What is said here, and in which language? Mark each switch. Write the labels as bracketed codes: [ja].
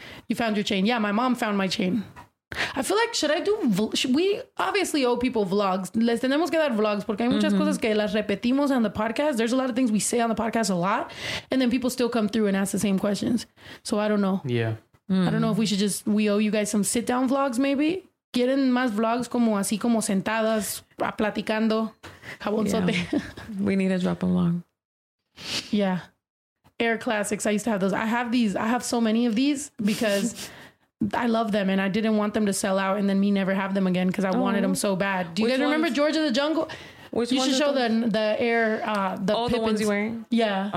[en] You found your chain. Yeah, my mom found my chain. I feel like, should I do, we obviously owe people vlogs. [es] Les tenemos que dar vlogs porque hay muchas cosas que las repetimos [en] on the podcast. There's a lot of things we say on the podcast a lot and then people still come through and ask the same questions. So I don't know. Yeah. I don't know if we should just, we owe you guys some sit down vlogs maybe. [es] Quieren más vlogs como así como sentadas, platicando, jabonzote. [en] Yeah. We need to drop a vlog. Yeah. Air Classics. I used to have those. I have these. I have so many of these because I love them and I didn't want them to sell out and then me never have them again because I wanted them so bad. Do you guys remember George of the Jungle? Which one? You should show the Air. The ones you're wearing? Yeah.